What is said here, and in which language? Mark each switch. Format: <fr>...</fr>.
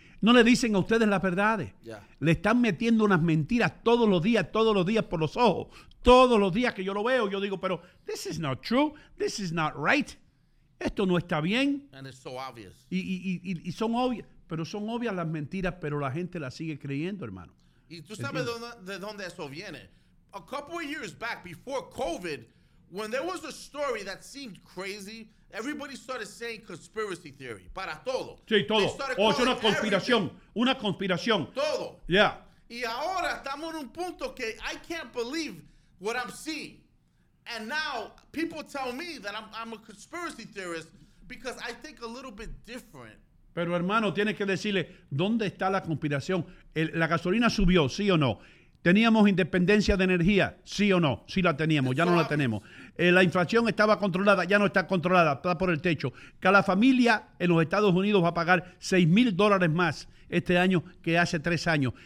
<es>No le dicen a ustedes las verdades. Le están metiendo unas mentiras todos los días por los ojos. Todos los días que yo lo veo, yo digo, pero</es> <en>this is not true, this is not right.</en> <es>Esto no está bien.</es> <en>And it's so obvious.</en> <es>Y son obvias, pero son obvias las mentiras, pero la gente las sigue creyendo, hermano. Y tú sabes de dónde eso viene.</es> <en>A couple of years back, before COVID, when there was a story that seemed crazy, everybody started saying conspiracy theory.</en> <es>Para todo. Sí, todo. O es una conspiración. Everything. Una conspiración. Todo.</es> <en>Yeah.</en> <es>Y ahora estamos en un punto que</es> <en>I can't believe what I'm seeing. And now people tell me that I'm a conspiracy theorist because I think a little bit different.</en> <es>Pero hermano, tienes que decirle, ¿dónde está la conspiración? La gasolina subió, ¿sí o no? ¿Teníamos independencia de energía? ¿Sí o no? Sí la teníamos, ya no la tenemos. La inflación estaba controlada, ya no está controlada, está por el techo. Cada familia en los Estados Unidos va a pagar $6,000 más este año que hace 3 años.</es>